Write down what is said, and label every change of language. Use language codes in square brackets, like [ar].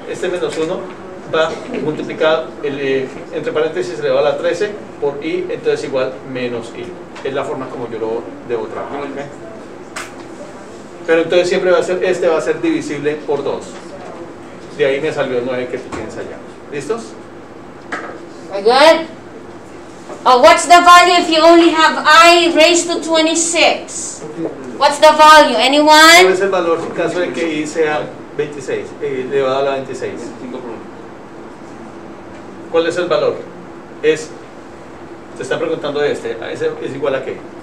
[es] Este menos 1 va multiplicado entre paréntesis elevado a la 13 por i, entonces igual menos i. Es la forma como yo lo debo trabajar. Okay. Pero entonces siempre va a ser, este va a ser divisible por 2. De ahí me salió el 9 que tú tienes allá. ¿Listos? [en] Good. What's the value if you only have i raised to 26? What's the value? Anyone? [es] ¿Cuál es el valor en caso de que i sea 26, elevado a la 26? 25. ¿Cuál es el valor? Es, se está preguntando este, ¿ese es igual a qué?